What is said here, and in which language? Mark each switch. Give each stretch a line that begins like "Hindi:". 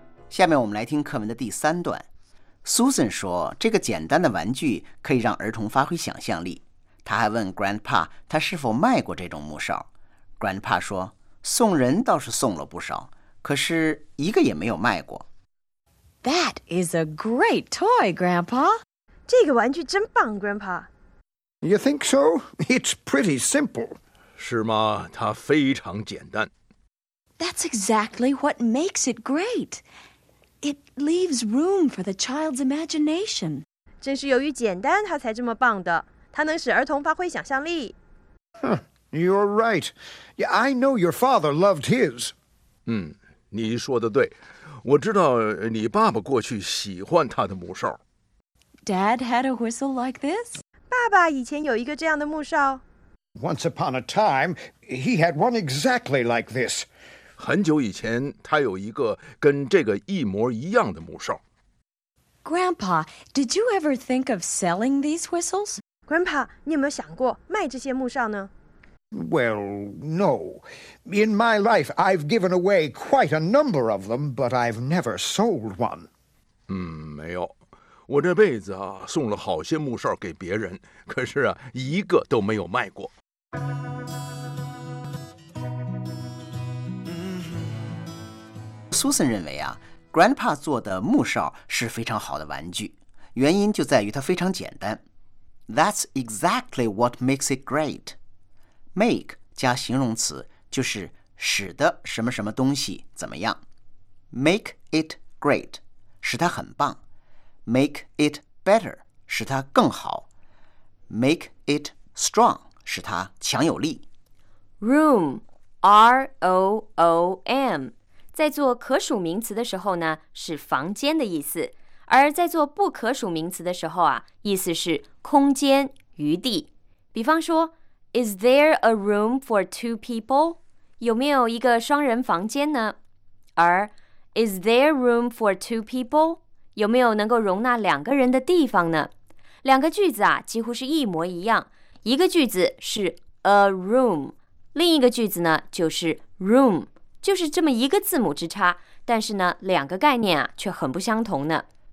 Chinese: 下面我们来听课文的第三段Susan 说这个简单的玩具可以让儿童发挥想象力。他还问 Grandpa 他是否卖过这种木哨。Grandpa 说送人倒是送了不少可是一个也没有卖过。
English: That is a great toy, Grandpa.
Chinese: 这个玩具真棒 Grandpa.
English: You think so? It's pretty simple.
Chinese: 是吗它非常简单。
English: That's exactly what makes it great. It leaves room for the child's imagination.
Chinese: 正是由于简单它才这么棒的。它能使儿童发挥想象力。
English: You're right. I know your father loved his.
Chinese: 你说的对。我知道你爸爸过去喜欢他的木哨。
English: Dad had a whistle like this?
Chinese: 爸爸以前有一个这样的木哨。
English: Once upon a time, he had one exactly like this.
Chinese: 很久以前他有一个跟这个一模一样的木哨。
English: Grandpa, did you ever think of selling these whistles?
Chinese: Grandpa, 你有没有想过卖这些木哨呢?
English: Well, no. In my life, I've given away quite a number of them, but I've never sold one.
Chinese: 没有。我这辈子啊，送了好些木哨给别人，可是啊，一个都没有卖过。 Susan 认为啊 ,Grandpa 做的木哨是非常好的玩具。原因就在于它非常简单。
English: That's exactly what makes it great.
Chinese: Make 加形容词就是使得什么什么东西怎么样。
English: Make it great,
Chinese: 使它很棒。
English: Make it better,
Chinese: 使它更好。
English: Make it strong,
Chinese: 使它强有力。
English: Room, R-O-O-M.
Chinese: 在做可数名词的时候呢是房间的意思而在做不可数名词的时候啊意思是空间余地比方说
English: Is there a room for two people?
Chinese: 有没有一个双人房间呢而
English: Is there room for two people?
Chinese: 有没有能够容纳两个人的地方呢两个句子啊几乎是一模一样一个句子是 a room 另一个句子呢就是 room就是这么一个字母之差但是呢两个概念啊却很不相同呢。